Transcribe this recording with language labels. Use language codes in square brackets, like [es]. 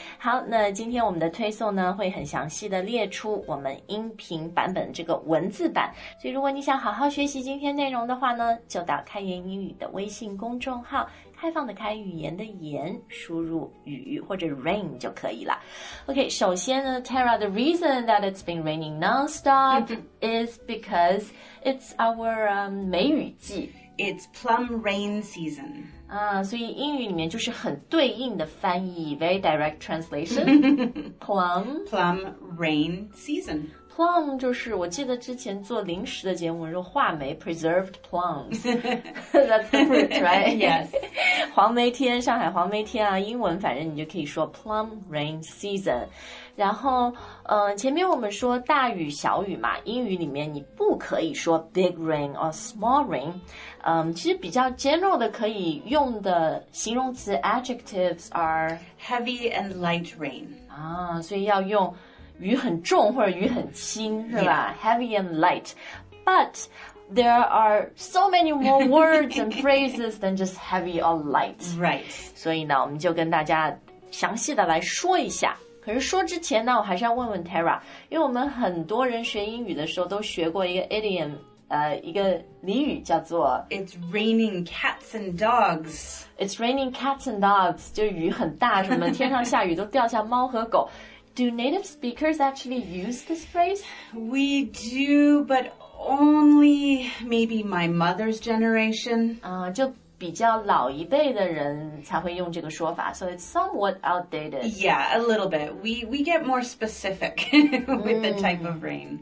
[zh] 好，那今天我们的推送呢，会很详细的列出我们音频版本这个文字版。所以如果你想好好学习今天内容的话呢，就到开言英语的微信公众号。开放的开语言的言输入雨或者 rain 就可以了。 [en] OK, [zh] 首先呢 [en] Tara, the reason that it's been raining nonstop is because it's our 梅雨季。 It's plum rain season. [zh] 所以英语里面就是很对应的翻译， [en] very direct translation. Plum rain season. [zh] Plum 就是我记得之前做零食的节目是话梅 preserved plums. [en] That's the fruit, right? Yes. [zh] 黄梅天，上海黄梅天啊，英文反正你就可以说 plum rain season. 然后前面我们说大雨小雨嘛，英语里面你不可以说 [en] big rain or small rain. [zh] 其实比较 general 的可以用的形容词 [en] adjectives are heavy and light rain. [zh] 所以要用雨很重或者雨很轻是吧、 [en] yeah. Heavy and light. But there are so many more words and phrases than just heavy or light. Right. [zh] 所以呢我们就跟大家详细的来说一下。可是说之前呢，我还是要问问 Tara, 因为我们很多人学英语的时候都学过一个 idiom, 一个俚语叫做 [en] It's raining cats and dogs. It's raining cats and dogs. [zh] 就雨很大，什么天上下雨都掉下猫和狗。 [en] Do native speakers actually use this phrase? We do, but only maybe my mother's generation. [zh] 就比较老一辈的人才会用这个说法 [en] So it's somewhat outdated. Yeah, a little bit. We get more specific with the type of rain.